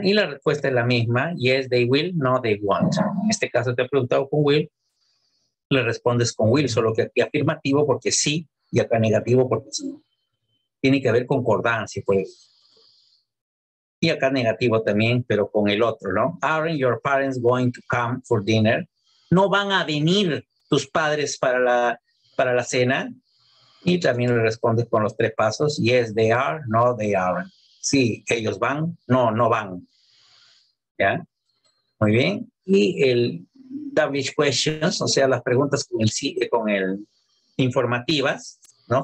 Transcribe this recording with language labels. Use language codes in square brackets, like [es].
[es] Y la respuesta es la misma. [en] Yes, they will. No, they won't. [es] En este caso te he preguntado con will. Le respondes con will, solo que aquí afirmativo porque sí y acá negativo porque sí. Tiene que haber concordancia, pues. Y acá negativo también, pero con el otro, ¿no? [en] Aren't your parents going to come for dinner? [es] ¿No van a venir tus padres para la cena? Y también le respondes con los tres pasos. [en] Yes, they are. No, they aren't. [es] Sí, ellos van. No, no van. ¿Ya? Muy bien. Y el WH questions, o sea, las preguntas con el informativas, ¿no?